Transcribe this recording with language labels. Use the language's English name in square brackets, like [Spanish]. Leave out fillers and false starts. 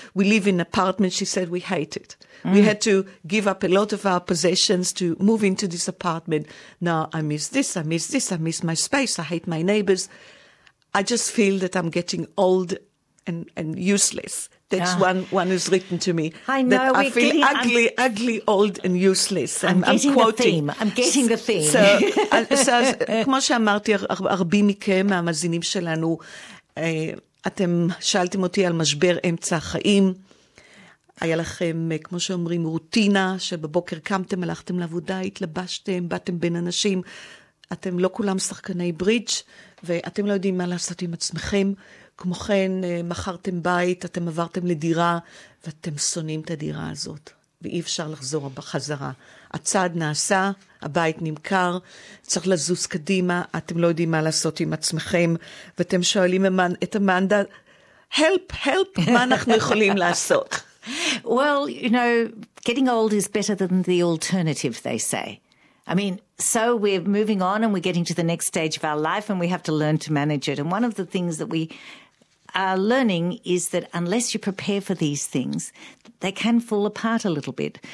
[English] We live in apartments. She said, we hate it. Mm. We had to give up a lot of our possessions to move into this apartment. Now, I miss this. I miss this. I miss my space. I hate my neighbors. I just feel that I'm getting old and useless. That's one who's written to me. I know. That I feel ugly, old and useless. I'm getting the theme. So [Hebrew] as, כמו שאמרתי, הרבים מכם, המאזינים שלנו, אתם שאלתם אותי על משבר אמצע החיים. היה לכם, כמו שאומרים, רוטינה, שבבוקר קמתם, הלכתם לעבודה, התלבשתם, באתם בין אנשים. אתם לא כולם שחקני ברידג' ואתם לא יודעים מה לעשות עם עצמכם. כמו כן, מכרתם בית, אתם עברתם לדירה, ואתם שונאים את הדירה הזאת, ואי אפשר לחזור בחזרה. הצעד נעשה, הבית נמכר, צריך לזוז קדימה, אתם לא יודעים מה לעשות עם עצמכם, ואתם שואלים את אמנדה, help, מה אנחנו יכולים לעשות? [English] Well, you know, getting old is better than the alternative, they say. I mean, so we're moving on and we're getting to the next stage of our life and we have to learn to manage it. And one of the things that we are learning is that unless you prepare for these things, they can fall apart a little bit.